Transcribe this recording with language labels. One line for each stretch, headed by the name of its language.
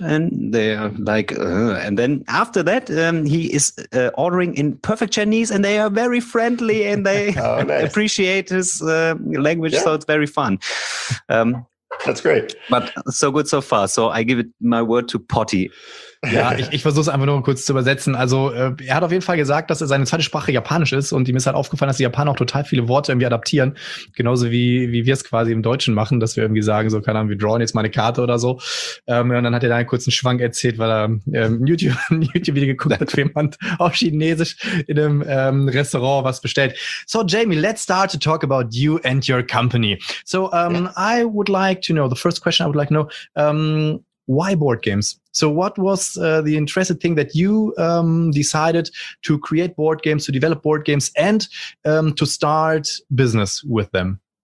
English: And they're like and then after that he is ordering in perfect Chinese, and they are very friendly, and they appreciate his language. So it's very fun. That's great. But so good so far. So I give it my word to potty.
German: Ja, ich versuche es einfach nur kurz zu übersetzen. Also er hat auf jeden Fall gesagt, dass seine zweite Sprache Japanisch ist, und ihm ist halt aufgefallen, dass die Japaner auch total viele Worte irgendwie adaptieren. Genauso wie wir es quasi im Deutschen machen, dass wir irgendwie sagen, so, keine Ahnung, wir drawen jetzt mal eine Karte oder so. Und dann hat er da einen kurzen Schwank erzählt, weil er ein YouTube-Video geguckt hat, wie jemand auf Chinesisch in einem Restaurant was bestellt.
English: So Jamie, let's start to talk about you and your company. So I would like to know, the first question I would like to know, why board games? So what was the interesting thing that you decided to create board games, to develop board games, and to start business with them?